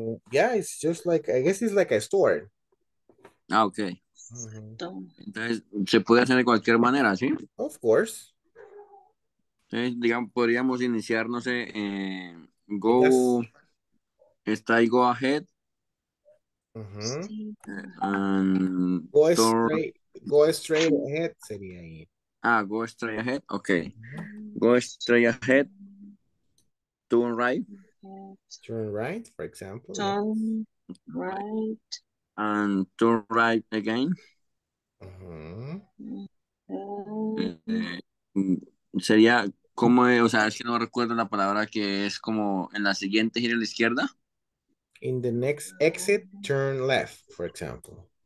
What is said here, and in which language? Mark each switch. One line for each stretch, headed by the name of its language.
English: Yeah, it's just like, I guess it's like a store. Ah, okay. Mm-hmm.
Spanish: Entonces, se puede hacer de cualquier manera, ¿sí?
English: Of course.
Spanish: Entonces, digamos, podríamos iniciar, no sé,
English: go, yes.
Spanish: Está ahí,
English: go ahead. Go straight ahead
Spanish: sería ahí.
English: Ah, go straight ahead, okay. Mm-hmm. Go straight ahead. Turn right. Turn right, for example. Turn right. And turn right again. Uh-huh.
Spanish: Sería como, o sea, es que no recuerdo la palabra que es como en la siguiente gira a la izquierda.
English: In the next exit, turn left, for example.